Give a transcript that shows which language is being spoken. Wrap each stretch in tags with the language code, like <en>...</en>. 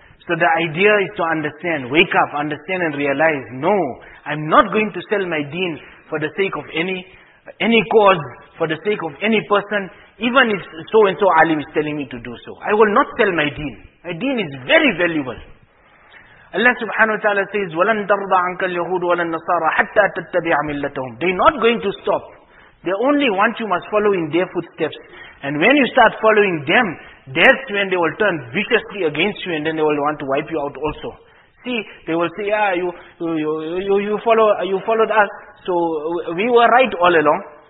<en>So the idea is to understand, wake up, understand and realize, no, I'm not going to sell my deen for the sake of any cause for the sake of any person, even if so-and-so alim is telling me to do so. I will not sell my deen. My deen is very valuable.</en> <ar>Allah subhanahu wa ta'ala says, وَلَن تَرْضَ عَنْكَ الْيَهُودُ وَلَا النَّصَارَ حَتَّى تَتَّبِعَ مِلَّتَهُمْ.</ar> <en>They're not going to stop. They only want you must follow in their footsteps. And when you start following them, that's when they will turn viciously against you and then they will want to wipe you out also. See, they will say, ah, you followed us, so we were right all along.</en>